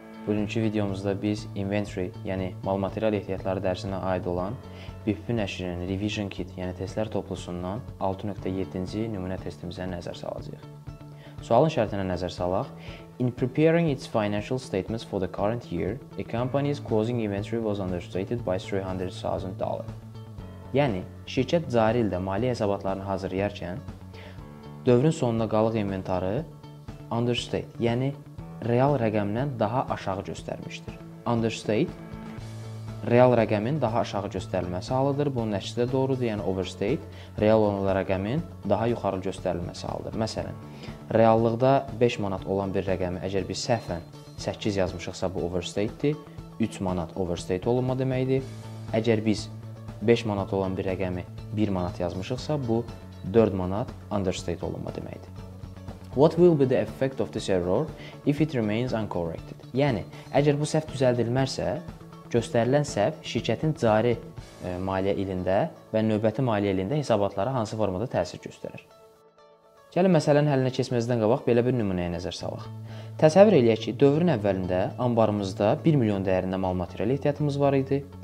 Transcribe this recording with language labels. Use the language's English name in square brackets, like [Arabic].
[Azerbaijani] Bugünkü videomuzda biz inventory, yəni mal material ehtiyatları dərsinə aid olan BIPP nəşrinin revision kit, yəni testlər toplusundan 6.7-ci nümunə testimizə nəzər salacaq. Sualın şərtinə nəzər salaq. [English] In preparing its financial statements for the current year, a company's closing inventory was understated by $300,000. [Azerbaijani] Yəni, şirkət cari ildə maliyyə hesabatlarını hazırlayarkən, dövrün sonunda qalıq inventarı understate, yəni real rəqəmdən daha aşağı göstərmişdir. Understate real rəqəmin daha aşağı göstərilməsi halıdır. Bunun əksi də doğrudur, yəni overstate real olan rəqəmin daha yuxarı göstərilməsi halıdır. Məsələn, reallıqda 5 manat olan bir rəqəmi əgər biz səhvən 8 yazmışıqsa bu overstate-dir. 3 manat overstate olunma deməkdir. Əgər biz 5 manat olan bir rəqəmi 1 manat yazmışıqsa bu 4 manat understate olunma deməkdir. [English] What will be the effect of this error if it remains uncorrected? [Azerbaijani] Yəni, əgər bu səhv düzəldilmərsə, göstərilən səhv şirkətin cari maliyyə ilində və növbəti maliyyə ilində hesabatlara hansı formada təsir göstərir? Gəlin, məsələnin həllinə keçməzdən qabaq belə bir nümunəyə nəzər salaq. Təsəvvür eləyək ki, dövrün əvvəlində anbarımızda 1 milyon dəyərində mal material ehtiyatımız var idi.